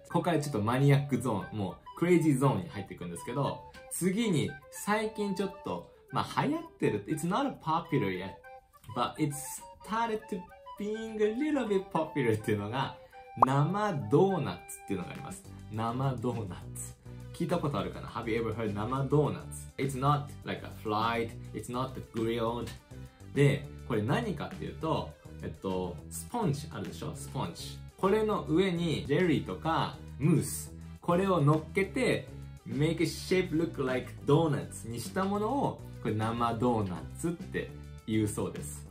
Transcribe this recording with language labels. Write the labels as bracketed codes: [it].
[ja] ここからちょっとマニアックゾーン、もうクレイジーゾーンに入っていくんですけど、次に最近ちょっとまあ流行ってる、 [en] It's not popular yet but it started to being a little bit popular [ja] っていうのが生ドーナツっていうのがあります。生ドーナツ聞いたことあるかな。 [en] Have you ever heard 生ドーナツ。 It's not like a fried, it's not grilled。 [ja] で、これ何かっていうと、スポンジあるでしょ。スポンジ、これの上にジェリーとかムース、これを乗っけて [en] make a shape look like donuts [ja] にしたものをこれ生ドーナツって言うそうです。